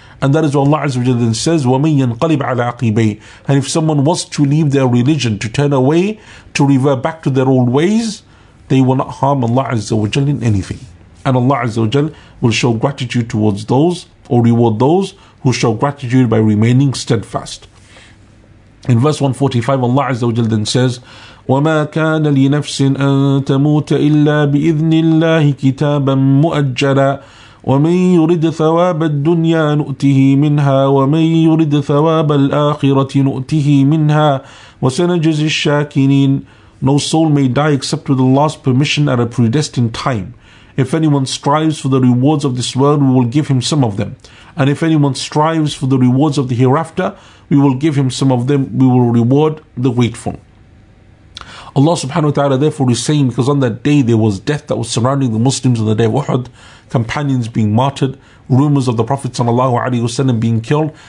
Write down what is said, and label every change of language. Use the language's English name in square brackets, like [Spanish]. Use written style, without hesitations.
[English] And that is what Allah Azza wa Jalla then says, [Arabic] وَمَنْ يَنْقَلِبْ عَلَىٰ عَقِبَيْهِ. [English] And if someone was to leave their religion, to turn away, to revert back to their old ways, they will not harm Allah Azza wa Jalla in anything. And Allah Azza wa Jalla will show gratitude towards those, or reward those who show gratitude by remaining steadfast. In verse 145, Allah Azza wa Jalla then says, [Arabic] وَمَا كَانَ لِنَفْسٍ أَن تَمُوتَ إِلَّا بِإِذْنِ اللَّهِ كِتَابًا مُؤَجَّلًا وَمَنْ يُرِدْ ثَوَابَ الدُّنْيَا نُؤْتِهِ مِنْهَا وَمَنْ يُرِدْ ثَوَابَ الْآخِرَةِ نُؤْتِهِ مِنْهَا وَسَنَجْزِي الشَّاكِرِينَ. [English] No soul may die except with Allah's permission at a predestined time. If anyone strives for the rewards of this world, we will give him some of them. And if anyone strives for the rewards of the hereafter, we will give him some of them. We will reward the grateful. Allah subhanahu wa ta'ala therefore is saying, because on that day there was death that was surrounding the Muslims on the day of Uhud, companions being martyred, rumors of the Prophet sallallahu alayhi wasallam being killed.